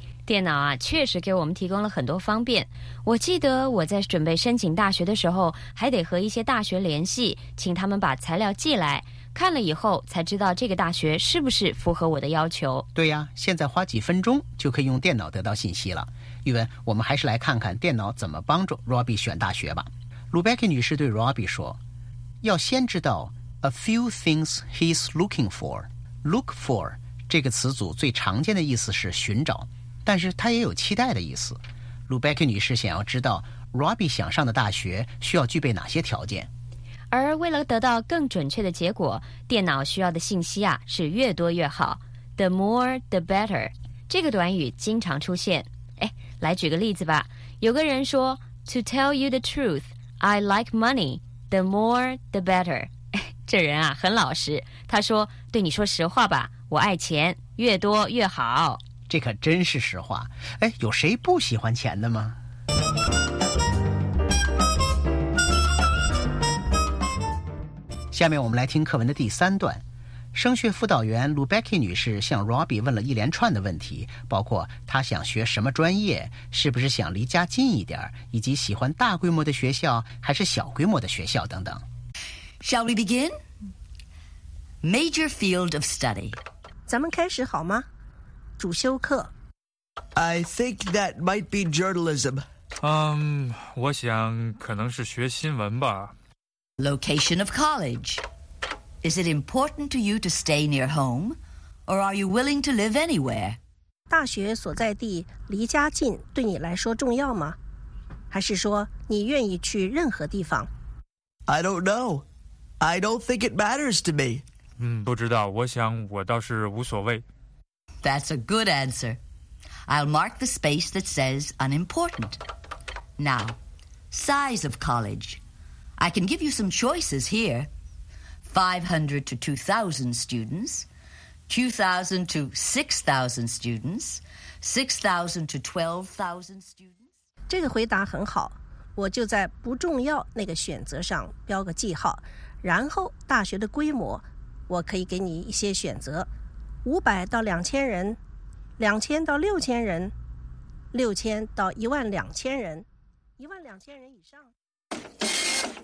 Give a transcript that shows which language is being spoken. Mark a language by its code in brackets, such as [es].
[zh] 电脑啊，确实给我们提供了很多方便。我记得我在准备申请大学的时候，还得和一些大学联系，请他们把材料寄来，看了以后才知道这个大学是不是符合我的要求。对呀，现在花几分钟就可以用电脑得到信息了。玉文，我们还是来看看电脑怎么帮助 Robbie 选大学吧。 Rebecca 女士对 Robbie 说，要先知道 [en] a few things he's looking for。 [zh] look for 这个词组最常见的意思是寻找，但是它也有期待的意思。 Rebecca 女士想要知道 Robbie 想上的大学需要具备哪些条件。而为了得到更准确的结果，电脑需要的信息啊是越多越好。 [en] The more the better [zh] 这个短语经常出现。哎，来举个例子吧。有个人说 [en] To tell you the truth, I like money. The more, the better. [zh] 这人啊，很老实。他说，对你说实话吧，我爱钱，越多越好。这可真是实话。哎，有谁不喜欢钱的吗？下面我们来听课文的第三段。升学辅导员 Rebecca 女士向 Robbie 问了一连串的问题，包括她想学什么专业，是不是想离家近一点，以及喜欢大规模的学校还是小规模的学校等等。 [en] Shall we begin? Major field of study. [zh] 咱们开始好吗？主修课。 [en] I think that might be journalism. [zh] 我想可能是学新闻吧。 [en] Location of college. Is it important to you to stay near home, or are you willing to live anywhere? [zh] 大学所在地离家近对你来说重要吗？还是说你愿意去任何地方？ [en] I don't know. I don't think it matters to me. [zh] 不知道，我想我倒是无所谓。 [en] That's a good answer. I'll mark the space that says unimportant. Now, size of college. I can give you some choices here. 500 to 2,000 students, 2,000 to 6,000 students, 6,000 to 12,000 students. [zh] 这个回答很好，我就在不重要那个选择上标个记号，然后大学的规模，我可以给你一些选择，500到2000人，2000到6000人，6000到12000人，12000人以上。